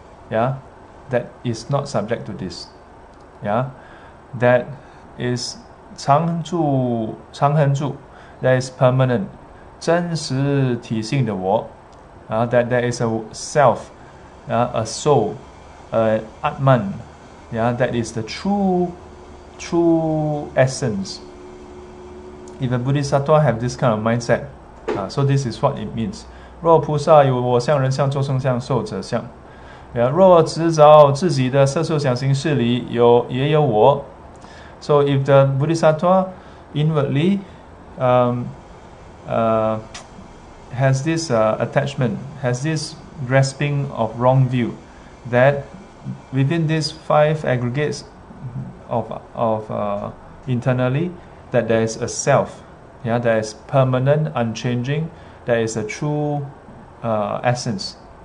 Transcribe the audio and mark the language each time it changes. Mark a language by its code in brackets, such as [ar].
[en] that is not subject to this. That is [zh] 常恒住, [en] that is permanent, [zh] 真实体性的我, [en] that there is a self, a soul, Atman, that is the true essence. If a Bodhisattva have this kind of mindset, so this is what it means. [zh] 若菩萨有我相、人相、众生相、寿者相, 若执着自己的色受想行识理, 也有我. [en] So if the Bodhisattva inwardly has this attachment, has this grasping of wrong view, that within these five aggregates of internally, that there is a self, that is permanent, unchanging, that is a true essence.